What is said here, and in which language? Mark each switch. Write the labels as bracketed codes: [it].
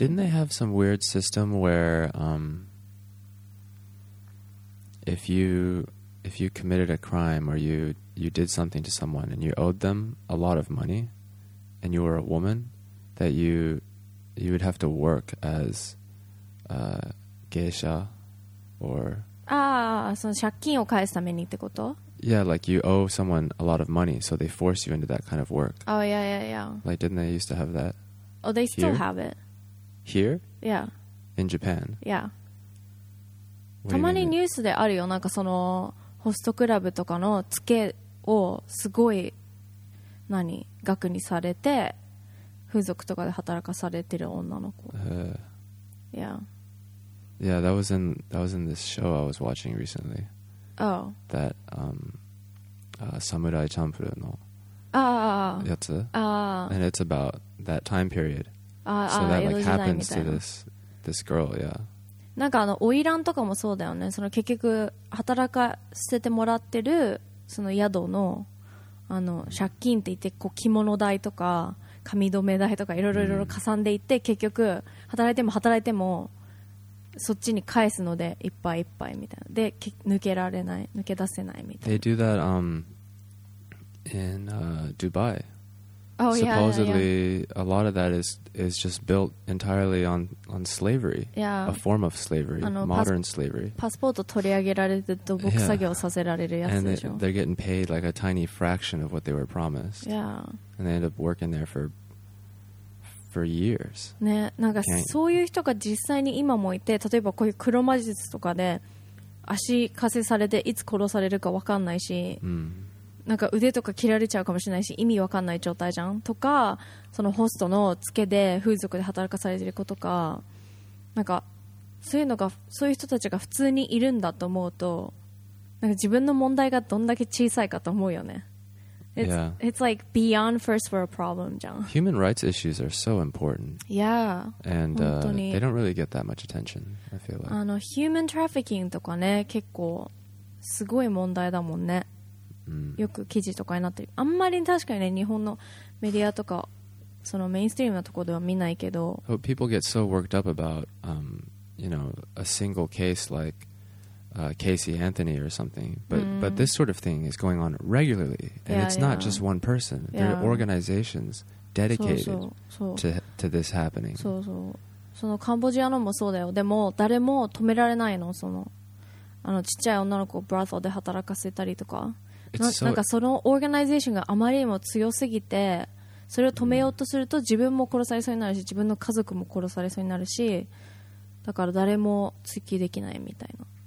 [en] Didn't they have some weird system where if you committed a crime or you did something to someone and you owed them a lot of money and you were a woman, that you would have to work as geisha or... [ja] Ah, その借金を返すためにってこと? [en] Yeah, like you owe someone a lot of money, so they force you into that kind of work. Oh, yeah. Like, didn't they used to have that? Oh, they still have it. Here? Yeah. In Japan? Yeah. [ja] たまにニュースであるよ。なんかそのホストクラブとかのツケをすごい何額にされて風俗とかで働かされてる女の子。 [en] Yeah, that was in this show I was watching recently. Oh. [ja] That Samurai Champloo の やつ。 [en] And it's about that time period. So that like happens to this girl, yeah. [ja] なんかあの花魁とかもそうだよね。その結局働かせてもらってるその宿の、あの借金って言ってこう着物代とか髪留め代とかいろいろ加算でいって、結局働いてもそっちに返すのでいっぱいいっぱいみたいな、で抜けられない、抜け出せないみたいな。 [en] They do that in Dubai. Oh, yeah, yeah, yeah. Supposedly, a lot of that is just built entirely on slavery, yeah. A form of slavery, modern slavery. [ja] Passport 取り上げられて土木作業させられるやつでしょ。 [en] And they're getting paid like a tiny fraction of what they were promised. Yeah. And they end up working there for years. [ja] ね、なんかそういう人が実際に今もいて、例えばこういう黒魔術とかで足枷されていつ殺されるか分かんないし。 Mm. なんか腕とか切られちゃうかもしれないし、意味わかんない状態じゃんとか、そのホストのつけで風俗で働かされてる子とか、なんかそういうのが、そういう人たちが普通にいるんだと思うと、なんか自分の問題がどんだけ小さいかと思うよね。 [en] Yeah. It's like beyond first world problem [ja] じゃん。 [en] Human rights issues are so important. Yeah. And they don't really get that much attention, I feel like. [ja] あの [en] human trafficking [ja] とかね、結構すごい問題だもんね。よく記事とかになってる。あんまり確かにね、日本のメディアとかそのメインストリームなところでは見ないけど。 [en] People get so worked up about, you know, a single case like Casey Anthony or something. But this sort of thing is going on regularly, and it's not just one person. There are organizations dedicated to this happening. [ja] そうそう。そのカンボジアのもそうだよ。でも誰も止められないの。その、あのちっちゃい女の子をブラザーで働かせたりとか。なんかそのオーガナイゼーションがあまりにも強すぎて、それを止めようとすると自分も殺されそうになるし、自分の家族も殺されそうになるし、だから誰も追及できないみたいな。